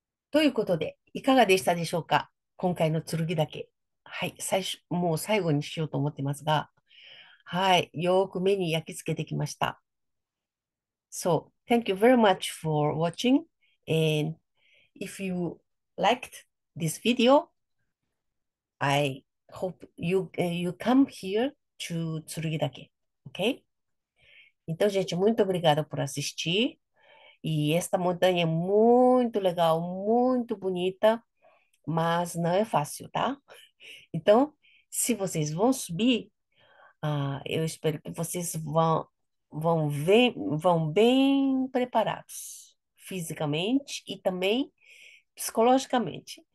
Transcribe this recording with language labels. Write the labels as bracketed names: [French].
[Japanese] ということで、いかがでしたでしょうか？今回の剣岳。はい、もう最後にしようと思ってますが、はい、よく目に焼き付けてきました。 [English] So, thank you very much for watching. And if you liked this video, I hope you come here to 剣岳. [Portuguese] Okay? Então, gente, muito obrigado por assistir. E esta montanha é muito legal, muito bonita, mas não é fácil, tá? Então, se vocês vão subir, eu espero que vocês vão bem preparados, fisicamente e também psicologicamente.